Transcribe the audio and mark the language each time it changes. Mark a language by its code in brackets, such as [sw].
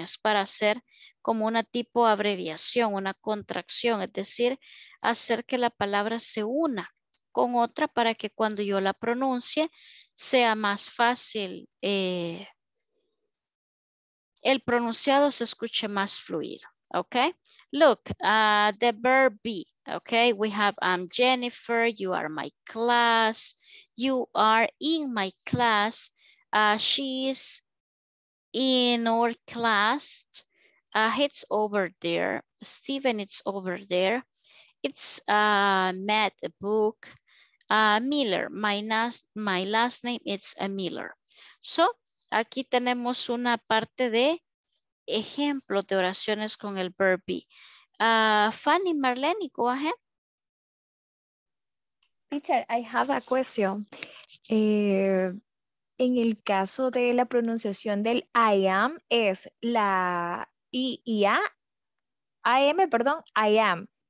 [es] Es para hacer como una tipo abreviación, una contracción. Es decir, hacer que la palabra se una con otra para que cuando yo la pronuncie sea más fácil, el pronunciado se escuche más fluido, okay? [en] Look, the verb be, okay? We have I'm Jennifer, you are my class, you are in my class, she's in our class, it's over there, Steven, it's over there, it's Matt, the book, Miller, my last name is Miller. [es] So, aquí tenemos una parte de ejemplo de oraciones con el verb be. [en] Fanny, Marlene, go ahead. Teacher, I have a question. [es] En el caso de la pronunciación del I am, es la I y A, I am, perdón, I am.